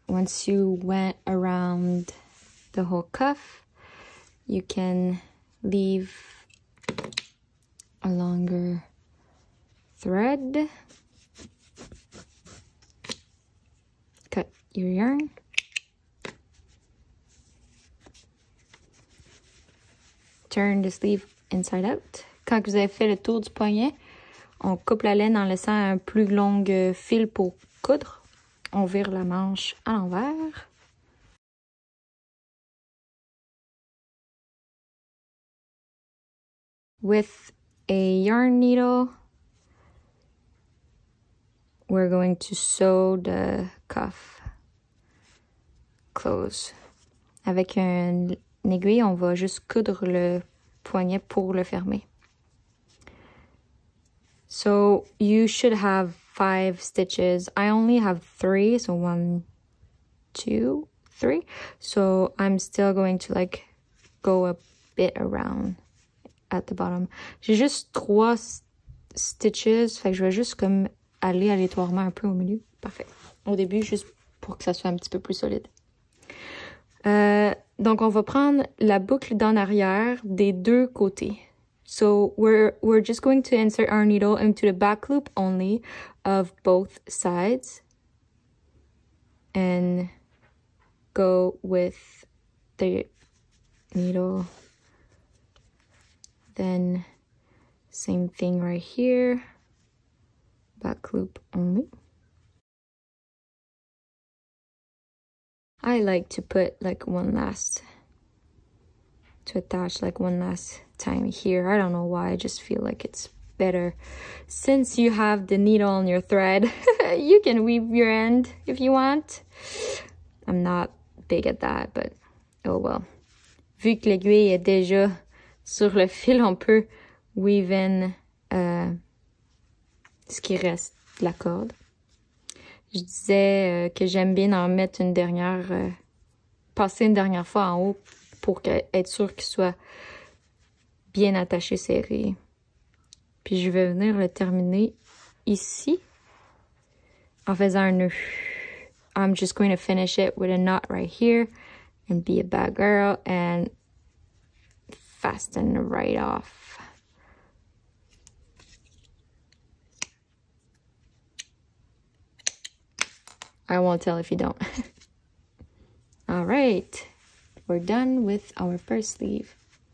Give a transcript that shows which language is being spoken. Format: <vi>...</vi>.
<en>Once you went around the whole cuff, you can leave a longer thread, cut your yarn, turn the sleeve inside out.</en> <fr>Quand vous avez fait le tour du poignet, on coupe la laine en laissant un plus long fil pour coudre. On vire la manche à l'envers.</fr> <en>With a yarn needle, we're going to sew the cuff close.</en> <fr>Avec une aiguille, on va juste coudre le poignet pour le fermer.</fr> <en>So you should have 5 stitches. I only have 3, so 1, 2, 3. So I'm still going to like go a bit around. At the bottom.</en> <fr>J'ai juste 3 stitches, fait que je vais juste comme aller aléatoirement un peu au milieu. Parfait. Au début, juste pour que ça soit un petit peu plus solide. Donc, on va prendre la boucle d'en arrière des 2 côtés.</fr> <en>So, we're just going to insert our needle into the back loop only of both sides. And go with the needle. Then, same thing right here, back loop only. I like to put like one last, to attach like one last time here. I don't know why, I just feel like it's better. Since you have the needle on your thread, you can weave your end if you want. I'm not big at that, but oh well.</en> <fr>Vu que l'aiguille est déjà sur le fil, on peut weave in ce qui reste de la corde. Je disais que j'aime bien en mettre une dernière, passer une dernière fois en haut pour être sûr qu'il soit bien attaché, serré. Puis je vais venir le terminer ici en faisant un nœud.</fr> <en>I'm just going to finish it with a knot right here and be a bad girl and fasten right off. I won't tell if you don't. All right, we're done with our first sleeve.</en>